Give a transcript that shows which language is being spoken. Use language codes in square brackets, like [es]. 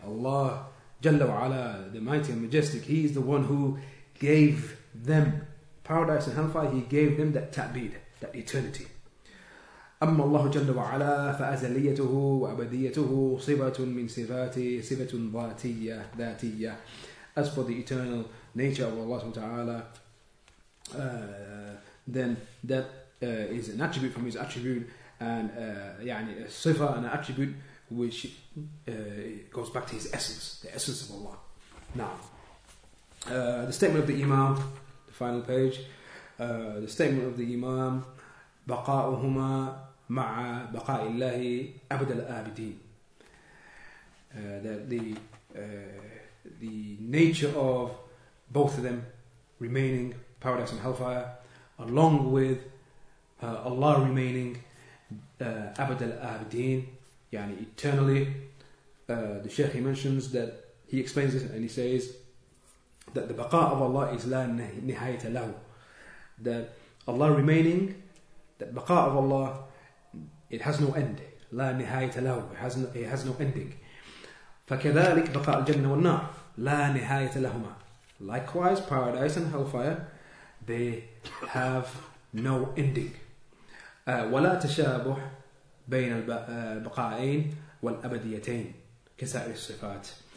[en] Allah jalla wa ala, the mighty and majestic, He is the one who gave them paradise and hellfire, He gave them that ta'bid, that eternity. [ar] أما الله جل وعلا فأزليته وأبديته صفة من صفاته صفة ذاتية ذاتية. [en] As for the eternal nature of Allah subhanahu wa ta'ala, then that is an attribute from His attribute, and يعني a صفة and an attribute which goes back to His essence, the essence of Allah. Now, the statement of the Imam, the final page, the statement of the Imam, [ar] بقاؤهما مع بقاء الله أبد الآبدين. [en] The nature of both of them remaining paradise and hellfire, along with Allah remaining [ar] أبد الآبدين, [en] يعني eternally. The Sheikh, he mentions that, he explains this and he says that the بقاء of Allah is [ar] لا نهاية له, [en] that Allah remaining, that بقاء of Allah, it has no end. [ar] لا نهاية له. [en] It has no ending. [ar] فكذلك بقاء الجنة والنار لا نهاية لهما. [en] Likewise, paradise and hellfire, they have no ending. [ar] ولا تشابه بين البقائين والأبديتين كسائر الصفات.